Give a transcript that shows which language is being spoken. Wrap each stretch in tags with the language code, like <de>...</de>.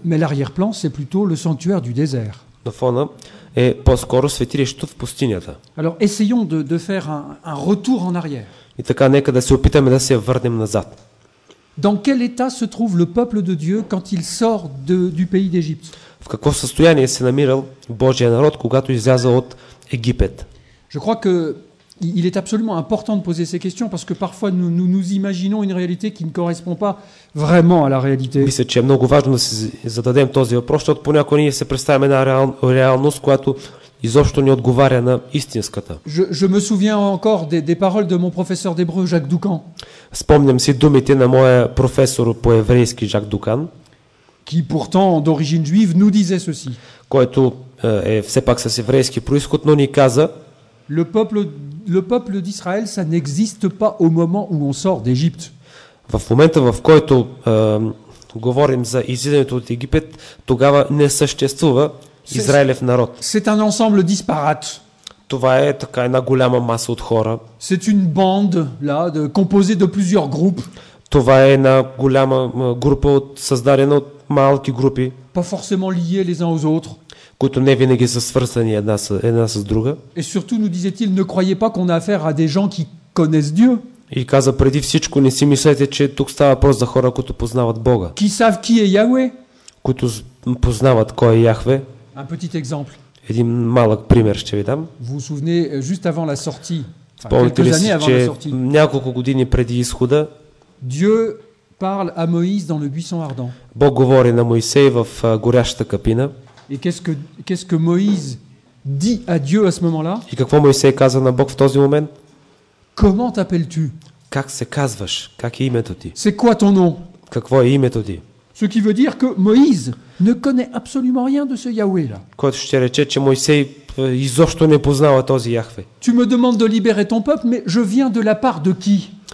<fr>Mais l'arrière-plan, c'est plutôt le sanctuaire du désert.</fr> <bg>Но фона е по-скоро светилището в пустинята.</bg> <fr>Alors essayons de faire un retour en arrière.</fr> <bg>И така, нека да се опитаме да се върнем назад.</bg> <fr>Dans quel état se trouve le peuple de Dieu quand il sort du pays d'Égypte?</fr> <bg>В какво състояние се намирал Божия народ, когато изляза от Египет?</bg> <fr>Je crois que il est absolument important de poser ces questions parce que parfois nous imaginons une réalité qui ne correspond pas vraiment à la réalité.</fr> <bg>Мисля, че е много важно да си зададем този въпрос, защото понякога ние се представяме на реалност, която изобщо не отговаря на истинската.</bg> <fr>Je me souviens encore des paroles de mon professeur d'hébreu Jacques Doucan.</fr> <bg>Спомням си думите на моя професор по еврейски Жак Дукан,</bg> <fr>qui pourtant d'origine juive nous disait ceci.</fr> <bg>Който е все пак с еврейски произход, но ни каза:</bg> <fr>Le peuple d'Israël, ça n'existe pas au moment où on sort d'Égypte.</fr> <bg>В момента, в който говорим за излизането от Египет, тогава не съществува Израилев народ.</bg> <fr>C'est un ensemble disparate.</fr> <bg>Това е така една голяма маса от хора.</bg> <fr>C'est une bande là composée de plusieurs groupes.</fr> <bg>Това е една голяма група от създадена от малки групи.</bg> <fr>Pas forcément liés les uns aux autres.</fr> <bg>Които не винаги са свързани една с друга.</bg> <fr>Et surtout nous disait-il ne croyez pas qu'on a affaire à des gens qui connaissent Dieu.</fr> <bg>И каза преди всичко не си мислете, че тук става въпрос за хора, които познават Бога.</bg> <fr>Qui savent qui est Yahweh?</fr> <bg>Които познават кой е Яхве.</bg> <fr>Un petit exemple.</fr> <bg>Един малък пример ще ви дам.</bg> <fr>Vous vous souvenez juste avant la sortie.</fr> <bg>Спомнете ли си, че няколко години преди изхода</bg> <fr>Dieu parle à Moïse dans le buisson ardent.</fr> <bg>Бог говори на Моисей в горящата капина.</bg> <fr>Et qu'est-ce que Moïse dit à Dieu à ce moment-là?</fr> <bg>И какво Моисей каза на Бог в този момент?</bg> <fr>Comment t'appelles-tu?</fr> <bg>Как се казваш? Как е името ти?</bg> <fr>C'est quoi ton nom?</fr> <bg>Какво е името ти?</bg> <fr>Ce qui veut dire que Moïse ne connaît absolument rien de ce Yahweh-là.</fr> <bg>Което ще рече, че Моисей изобщо не познава този Яхве.</bg> <fr>Tu me demandes de libérer ton peuple, mais je viens de la part de qui?</fr>